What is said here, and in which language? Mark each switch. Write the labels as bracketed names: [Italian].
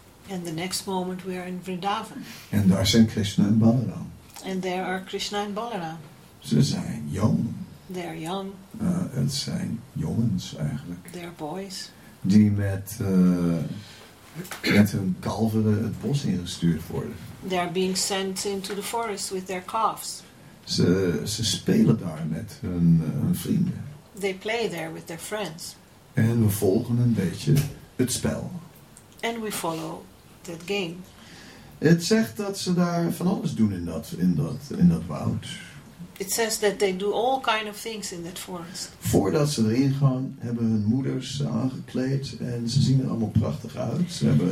[English] And the next moment we are in Vrindavan. [Dutch] En daar zijn Krishna en Balaram. [English] And there are Krishna and Balaram. [Dutch] Ze zijn jong. [English] They are young. [Dutch] Het zijn jongens eigenlijk. [English] They are boys. [Dutch] Die met hun kalveren het bos ingestuurd worden. [English] They are being sent into the forest with their calves. [Dutch] Ze spelen daar met hun vrienden. [English] They play there with their friends. [Dutch] En we volgen een beetje het spel. [English] And we follow that game. [Dutch] Het zegt dat ze daar van alles doen in dat woud. [English] It says that they do all kind of things in that forest. [Dutch] Voordat ze erin gaan, hebben hun moeders aangekleed en ze zien er allemaal prachtig uit.